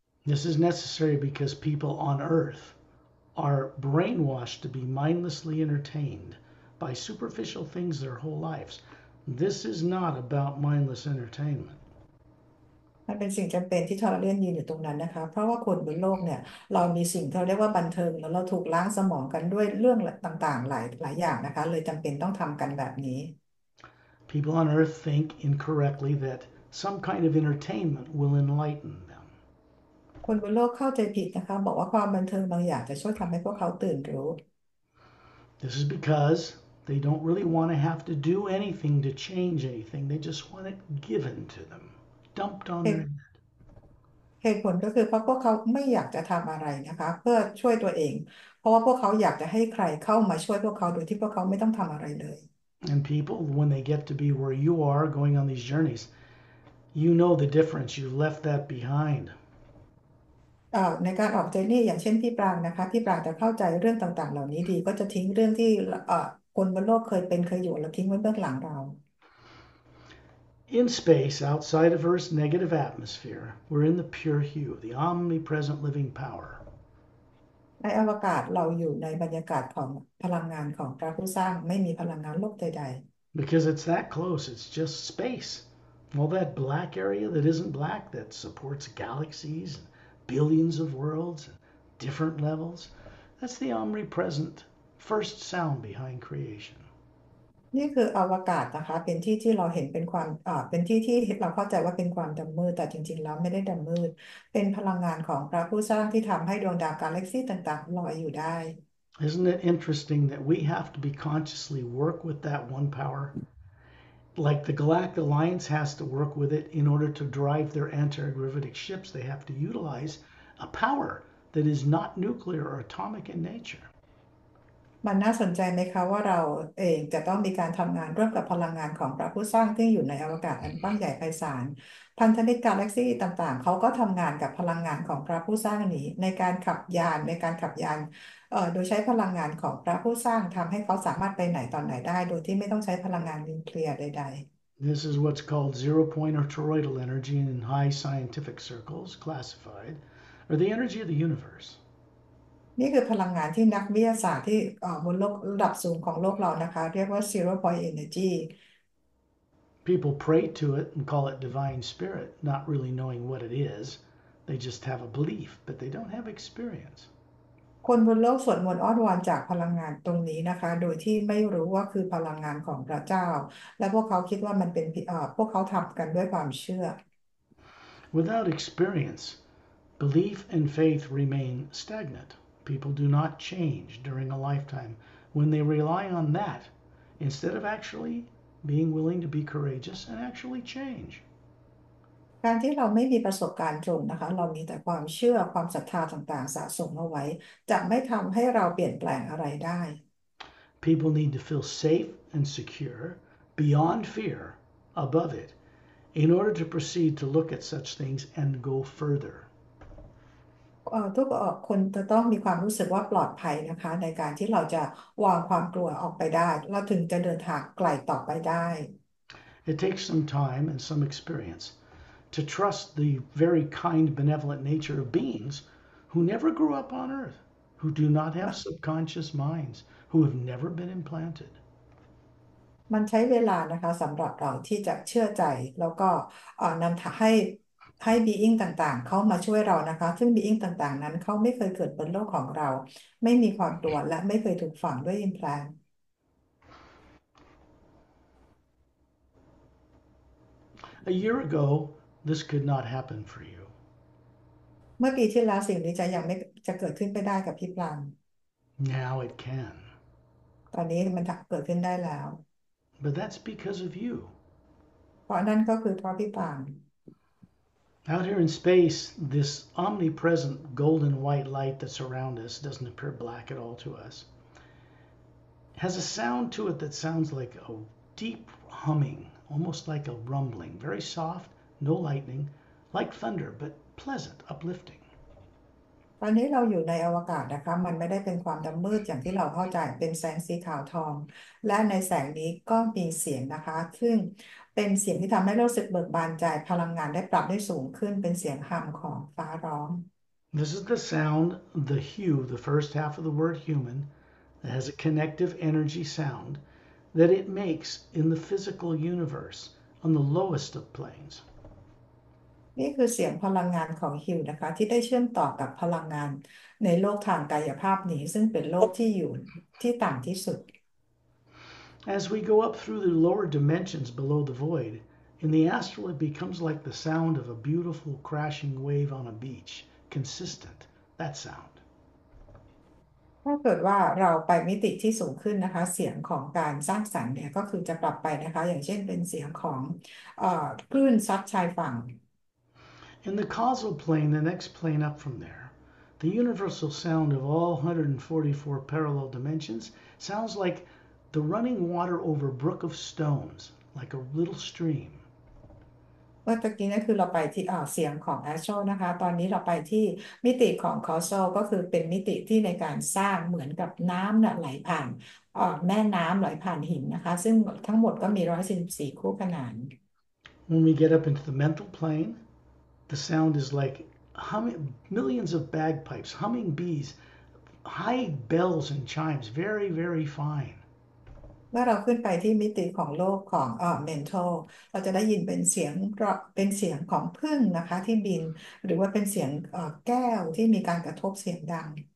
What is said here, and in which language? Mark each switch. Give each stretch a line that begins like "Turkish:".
English: This is necessary because people on Earth are brainwashed to be mindlessly entertained by superficial things their whole lives. This is not about mindless entertainment.
Thai: มันเป็นสิ่งจําเป็นที่ทอร์เรียนยืนอยู่ตรงนั้นนะคะเพราะว่าคนบนโลกเนี่ยเรามีสิ่งที่เราเรียกว่าบันเทิงแล้วเราถูกล้างสมองกันด้วยเรื่องต่างๆหลายอย่างนะคะเลยจําเป็นต้องทํากันแบบนี้
English: People on Earth think incorrectly that some kind of entertainment will enlighten them.
Thai: คนบนโลกเข้าใจผิดนะคะบอกว่าความบันเทิงบางอย่างจะช่วยทําให้พวกเขาตื่นรู้
English: This is because they don't really want to have to do anything to change anything. They just want it given to them, dumped on their head.
Thai: เหตุผลก็คือเพราะพวกเขาไม่อยากจะทําอะไรนะคะเพื่อช่วยตัวเองเพราะว่าพวกเขาอยากจะให้ใครเข้ามาช่วยพวกเขาโดยที่พวกเขาไม่ต้องทําอะไรเลย
English: And people, when they get to be where you are going on these journeys, you know the difference. You left that behind.
Thai: ในการออกเจนี่อย่างเช่นพี่ปรางนะคะพี่ปรางจะเข้าใจเรื่องต่างๆเหล่านี้ดีก็จะทิ้งเรื่องที่คนบนโลกเคยเป็นเคยอยู่แล้วทิ้งไว้เบื้องหลังเรา
English: In space, outside of Earth's negative atmosphere, we're in the pure hue, the omnipresent living power.
Thai: ในอวกาศเราอยู่ในบรรยากาศของพลังงานของพระผู้สร้างไม่มีพลังงานโลกใดๆ
English: Because it's that close, it's just space. All that black area that isn't black that supports galaxies, and billions of worlds, and different levels, that's the omnipresent first sound behind creation.
Thai: นี่คืออวกาศนะคะเป็นที่ที่เราเห็นเป็นความเป็นที่ที่เราเข้าใจว่าเป็นความดำมืดแต่จริงๆแล้วไม่ได้ดำมืดเป็นพลังงานของพระผู้สร้างที่ทำให้ดวงดาวกาแล็กซี่ต่างๆลอยอยู่ได้
English: Isn't it interesting that we have to be consciously work with that one power? Like the Galactic Alliance has to work with it in order to drive their anti-gravitic ships, they have to utilize a power that is not nuclear or atomic in nature.
Thai: มันน่าสนใจไหมคะว่าเราเองจะต้องมีการทำงานร่วมกับพลังงานของพระผู้สร้างที่อยู่ในอวกาศอันกว้างใหญ่ไพศาลพันธมิตรกาแล็กซี่ต่างๆเขาก็ทำงานกับพลังงานของพระผู้สร้างนี้ในการขับยานโดยใช้พลังงานของพระผู้สร้างทำให้เขาสามารถไปไหนตอนไหนได้โดยที่ไม่ต้องใช้พลังงานนิวเคลียร์ใดๆ
English: This is what's called zero point or toroidal energy in high scientific circles, classified, or the energy of the universe.
Thai: นี่คือพลังงานที่นักวิทยาศาสตร์ที่บนโลกระดับสูงของโลกเรานะคะเรียกว่า
English: zero point energy People pray to it and call it divine spirit, not really knowing what it is. They just have a belief, but they don't have experience.
Thai: คนบนโลกสวดมนต์อ้อนวอนจากพลังงานตรงนี้นะคะโดยที่ไม่รู้ว่าคือพลังงานของพระเจ้าและพวกเขาคิดว่ามันเป็นพวกเขาทำกันด้วยความเชื่อ
English: Without experience, belief and faith remain stagnant. People do not change during a lifetime when they rely on that instead of actually being willing to be courageous and actually change.
Thai: การที่เราไม่มีประสบการณ์ตรงนะคะเรามีแต่ความเชื่อความศรัทธาต่างๆสะสมเอาไว้จะไม่ทำให้เราเปลี่ยนแปลงอะไรได้
English: People need to feel safe and secure beyond fear, above it. In order to proceed to look at such things and go further.
Thai: ทุกคนจะต้องมีความรู้สึกว่าปลอดภัยนะคะในการที่เราจะวางความกลัวออกไปได้เราถึงจะเดินทางไกลต่อไปได้
English: It takes some time and some experience to trust the very kind, benevolent nature of beings who never grew up on Earth, who do not have subconscious minds, who have never been implanted.
Thai: มันใช้เวลานะคะสำหรับเราที่จะเชื่อใจแล้วก็นำทางให้ being ต่างๆเข้ามาช่วยเรานะคะซึ่ง being ต่างๆนั้นเขาไม่เคยเกิดบนโลกของเราไม่มีความตัวและไม่เคยถูกฝังด้วย implant
English: A year ago, this could not happen for you.
Thai: เมื่อปีที่แล้วสิ่งนี้จะยังไม่จะเกิดขึ้นไปได้กับพี่ปลาง
English: Now it can.
Thai: ตอนนี้มันเกิดขึ้นได้แล้ว
English: But that's because of you.
Thai: เพราะนั่นก็คือเพราะพี่ปลาง
English: Out here in space, this omnipresent golden white light that's around us doesn't appear black at all to us. Has a sound to it that sounds like a deep humming, almost like a rumbling, very soft, no lightning, like thunder, but pleasant, uplifting.
Thai: ตอนนี้เราอยู่ในอวกาศนะคะมันไม่ได้เป็นความดำมืดอย่างที่เราเข้าใจเป็นแสงสีขาวทองและในแสงนี้ก็มีเสียงนะคะซึ่งเป็นเสียงที่ทำให้รู้สึกเบิกบานใจพลังงานได้ปรับได้สูงขึ้นเป็นเสียงฮัมของฟ้าร้อง
English: This is the sound, the hue, the first half of the word human, that has a connective energy sound that it makes in the physical universe on the lowest of planes.
Thai: นี่คือเสียงพลังงานของฮิวนะคะที่ได้เชื่อมต่อกับพลังงานในโลกทางกายภาพนี้ซึ่งเป็นโลกที่อยู่ที่ต่ำที่สุด
English: As we go up through the lower dimensions below the void, in the astral it becomes like the sound of a beautiful crashing wave on a beach. Consistent, that sound.
Thai: ถ้าเกิดว่าเราไปมิติที่สูงขึ้นนะคะเสียงของการสร้างสรรค์เนี่ยก็คือจะปรับไปนะคะอย่างเช่นเป็นเสียงของคลื่นซัดชายฝั่ง
English: In the causal plane, the next plane up from there, the universal sound of all 144 parallel dimensions sounds like the running water over a brook of stones, like a little stream.
Thai: เมื่อตะกี้นั่นคือเราไปที่เสียงของแอชโชนะคะตอนนี้เราไปที่มิติของคอโซก็คือเป็นมิติที่ในการสร้างเหมือนกับน้ำน่ะไหลผ่านแม่น้ำไหลผ่านหินนะคะซึ่งทั้งหมดก็มี144คู่ขนาน
English: When we get up into the mental plane, the sound is like humming, millions of bagpipes, humming bees, high bells and chimes, very, very fine.
Thai: เมื่อเราขึ้นไปที่มิติของโลกของmental เราจะได้ยินเป็นเสียงเป็นเสียงของผึ้งนะคะที่บินหรือว่าเป็นเสียงแก้วที่มีการกระทบเสียงดัง